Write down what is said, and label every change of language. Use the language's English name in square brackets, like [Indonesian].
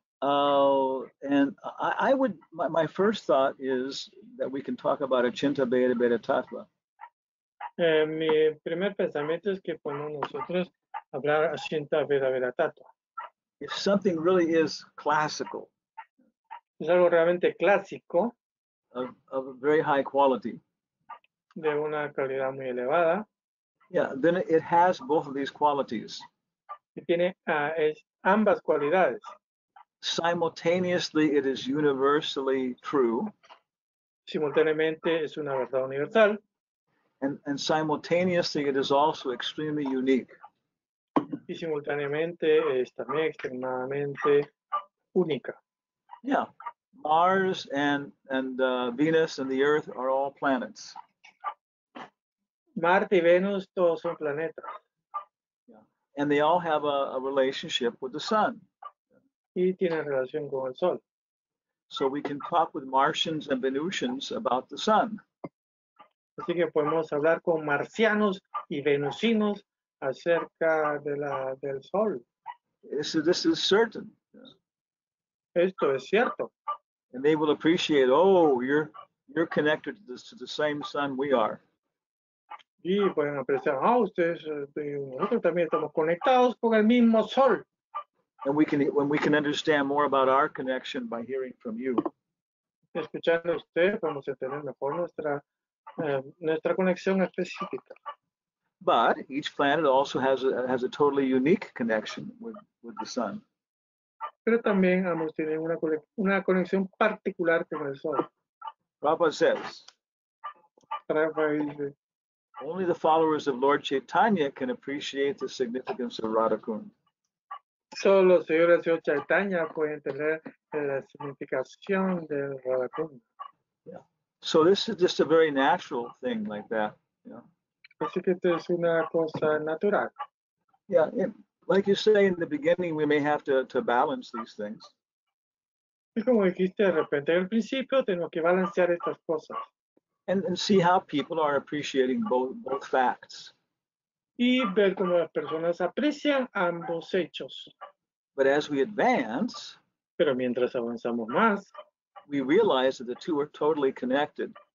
[English] And I would, my first thought is that we can talk about Achinta Beta Beta Tattva. [Spanish] Mi primer pensamiento es que podemos nosotros hablar Achinta Beta Beta Tattva. [English] If something really is classical, [Spanish] es algo realmente clásico, [English] of a very high quality, [Spanish] de una calidad muy elevada, [English] yeah, then it has both of these qualities. [Spanish] Y tiene ambas cualidades. [English] Simultaneously, it is universally true. [Spanish] Simultáneamente es una verdad universal. [English] And simultaneously, it is also extremely unique. [Spanish] Y simultáneamente es también extremadamente única. [English] Yeah, Mars and Venus and the Earth are all planets. [Spanish] Marte y Venus todos son planetas. [English] Yeah. And they all have a relationship with the sun. [Spanish] Y tiene relación con el sol. [English] So we can talk with Martians and Venusians about the sun. [Spanish] Así que podemos hablar con marcianos y venusinos acerca del sol. [English] This is certain. [Spanish] Esto es cierto. [English] And they will appreciate, oh, you're connected to this, to the same sun we are. [Spanish] Y pueden apreciar, ah, ustedes, nosotros también estamos conectados con el mismo sol. [English] And we can understand more about our connection by hearing from you. [Spanish] Escuchando a usted, vamos a tener mejor nuestra conexión específica. [English] But each planet also has a totally unique connection with the sun. [Spanish] Pero también ambos tienen una conexión particular con el sol. [English] Prabhupada says, only the followers of Lord Chaitanya can appreciate the significance of Radhakund. [Spanish] Solo los señores de Chaitanya pueden entender la significación del Radhakund. [English] Yeah. So this is just a very natural thing like that. Yeah. [Spanish] Así que esto es una cosa natural. [English] Yeah, like you say in the beginning, we may have to balance these things. [Spanish] Y como dijiste de repente, al principio tenemos que balancear estas cosas. [English] And see how people are appreciating both facts. [Spanish] Y ver cómo las personas aprecian ambos hechos. [English] But as we advance, [Spanish] pero mientras avanzamos más, [English] we realize that the two are totally connected.